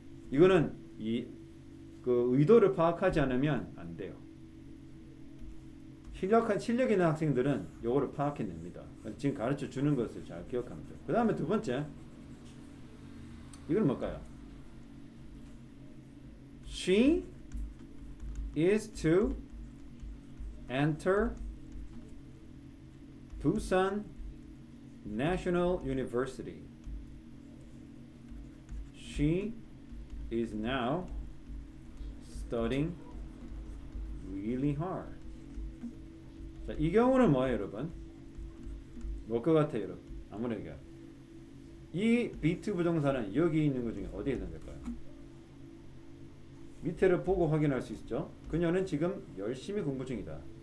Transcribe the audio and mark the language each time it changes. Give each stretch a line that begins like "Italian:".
Korean: 이거는 이 그 의도를 파악하지 않으면 안 돼요. 실력 있는 학생들은 요거를 파악해냅니다. 지금 가르쳐 주는 것을 잘 기억합니다. 그 다음에 두 번째, 이건 뭘까요?
English: She is to enter Busan National University. She is now studying really hard.
Korean: 자, 이 경우는 뭐예요, 여러분? 뭘 것 같아요, 여러분? 아무래도 이 B2 부정사는 여기 있는 것 중에 어디에 있을까요? 밑에를 보고 확인할 수 있죠? 그녀는 지금 열심히 공부 중이다.